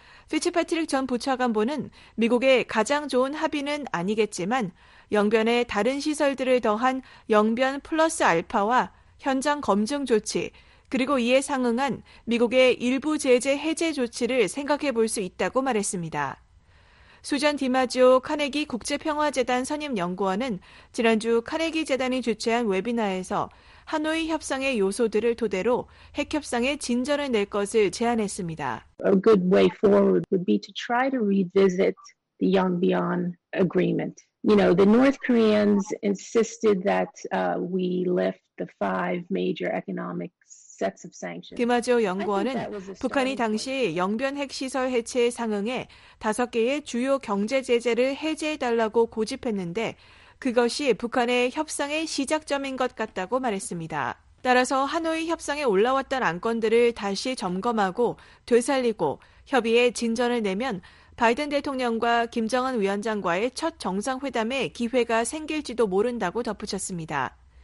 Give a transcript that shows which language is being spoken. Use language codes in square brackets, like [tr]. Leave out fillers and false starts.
[ko] 피츠패트릭 전 부차관보는 미국의 가장 좋은 합의는 아니겠지만 영변에 다른 시설들을 더한 영변 플러스 알파와 현장 검증 조치 그리고 이에 상응한 미국의 일부 제재 해제 조치를 생각해 볼 수 있다고 말했습니다. 수잔 디마지오 카네기 국제평화재단 선임연구원은 지난주 카네기 재단이 주최한 웨비나에서 하노이 협상의 요소들을 토대로 핵 협상의 진전을 낼 것을 제안했습니다. [en] A good way forward would be to try to revisit the Yongbyon agreement. You know, the North Koreans insisted that we lift the five major economic [ko] 디마지오 연구원은 북한이 당시 영변 핵시설 해체에 상응해 5개의 주요 경제 제재를 해제해달라고 고집했는데 그것이 북한의 협상의 시작점인 것 같다고 말했습니다. 따라서 하노이 협상에 올라왔던 안건들을 다시 점검하고 되살리고 협의에 진전을 내면 바이든 대통령과 김정은 위원장과의 첫 정상회담에 기회가 생길지도 모른다고 덧붙였습니다.